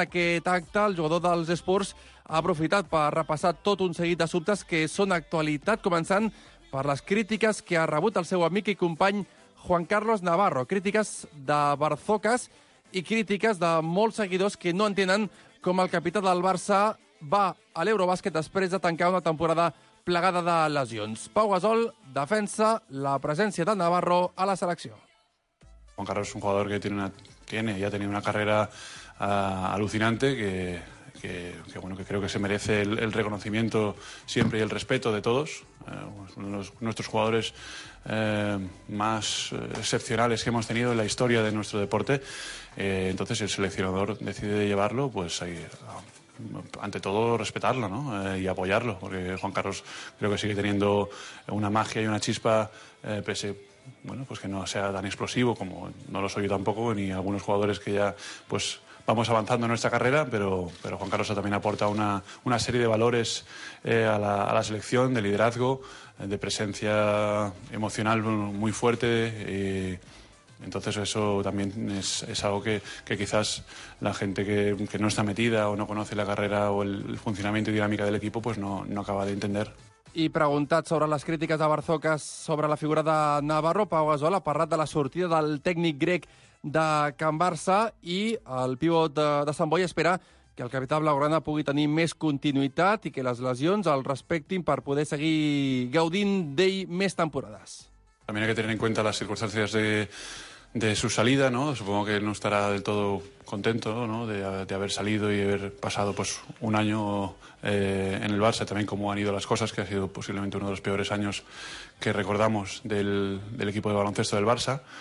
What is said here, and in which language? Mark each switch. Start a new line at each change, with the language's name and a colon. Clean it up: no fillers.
Catalan: En aquest acte, el jugador dels Spurs ha aprofitat per repassar tot un seguit d'assumptes que són actualitat, començant per les crítiques que ha rebut el seu amic i company Juan Carlos Navarro. Crítiques de Barzocas i crítiques de molts seguidors que no entenen com el capità del Barça va a l'Eurobàsquet després de tancar una temporada plegada de lesions. Pau Gasol defensa la presència de Navarro a la selecció.
Spanish: Juan Carlos es un jugador que ya tenía una carrera alucinante que creo que se merece el reconocimiento siempre y el respeto de todos. Nuestros jugadores más excepcionales que hemos tenido en la historia de nuestro deporte. Entonces el seleccionador decide llevarlo, pues ahí, ante todo respetarlo, ¿no? Y apoyarlo, porque Juan Carlos creo que sigue teniendo una magia y una chispa, pese, bueno, pues que no sea tan explosivo como no lo soy yo tampoco, ni algunos jugadores que ya pues vamos avanzando en nuestra carrera, pero Juan Carlos también aporta una serie de valores a la selección, de liderazgo, de presencia emocional muy fuerte. Entonces eso también es algo que quizás la gente que no está metida o no conoce la carrera o el funcionamiento y dinámica del equipo pues no acaba de entender.
Catalan: I preguntat sobre les crítiques de Barzocas sobre la figura de Navarro, Pau Gasol ha parlat de la sortida del tècnic grec de Can Barça i el pivot de Sant Boi espera que el capità blaugrana pugui tenir més continuïtat i que les lesions el respectin per poder seguir gaudint d'ell més temporades.
Spanish: También hay que tener en cuenta las circunstancias de su salida, ¿no? Supongo que no estará del todo contento, ¿no? De haber salido y haber pasado pues un año en el Barça, también cómo han ido las cosas, que ha sido posiblemente uno de los peores años que recordamos del equipo de baloncesto del Barça.